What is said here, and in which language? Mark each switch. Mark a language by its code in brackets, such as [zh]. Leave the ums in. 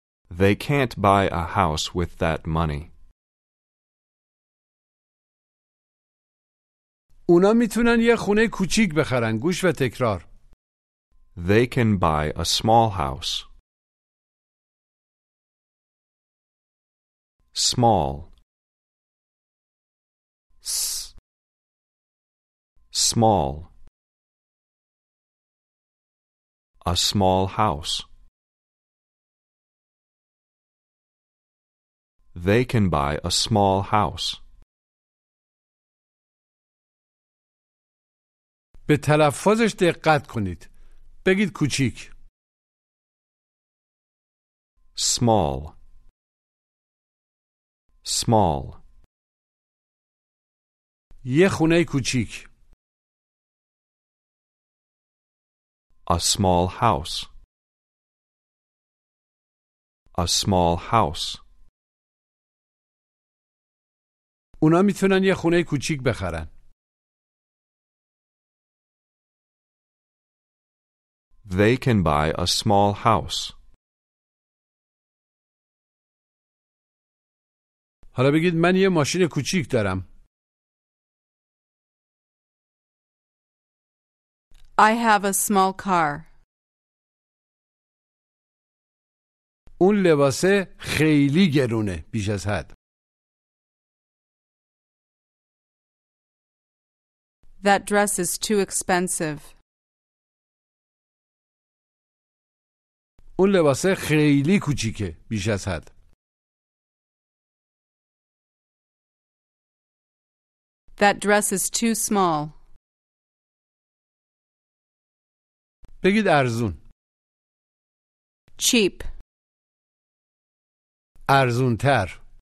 [en] They can't buy a house with that money. [fa] اونا میتونن یه خونه کوچیک بخرن گوش و تکرار. [en] They can buy a small house. Small. S. small a small house they can buy a small house [fa] به تلفظش دقت کنید بگید [en] small small [fa] یه خونه kuchik. [en] A small house. A small house. [fa] اونا میتونن یه خونه کوچیک بخرن. [en] They can buy a small house. [fa] حالا بگید من یه ماشین کوچیک دارم. [en] I have a small car. [fa] اون لباسه خیلی گرونه بیش از حد. [en] That dress is too expensive. [fa] اون لباسه خیلی کوچیکه بیش از حد. [en] That dress is too small. [fa] بگید ارزون چیپ ارزون تر